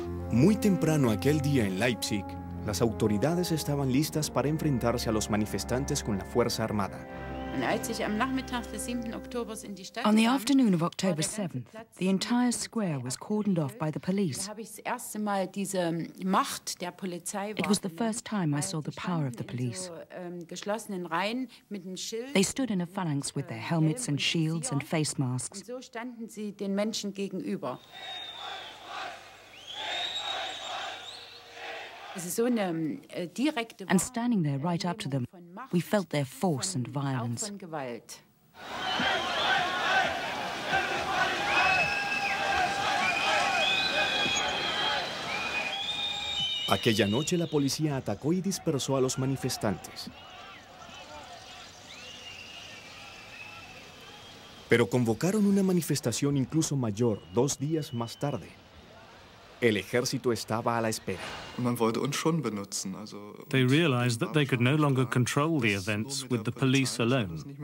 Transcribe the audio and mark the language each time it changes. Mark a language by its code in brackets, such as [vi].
[es] Muy temprano aquel día en Leipzig, las autoridades estaban listas para enfrentarse a los manifestantes con la Fuerza Armada. [en] On the afternoon of October 7th, the entire square was cordoned off by the police. It was the first time I saw the power of the police. They stood in a phalanx with their helmets and shields and face masks. [de] So standen sie den Menschen gegenüber. [en] And standing there right up to them, we felt their force and violence. [es] Aquella noche la policía atacó y dispersó a los manifestantes. Pero convocaron una manifestación incluso mayor dos días más tarde. El ejército estaba a la espera. [de] Man wollte uns schon benutzen. [en] They realized that they could no longer control the events with the police alone.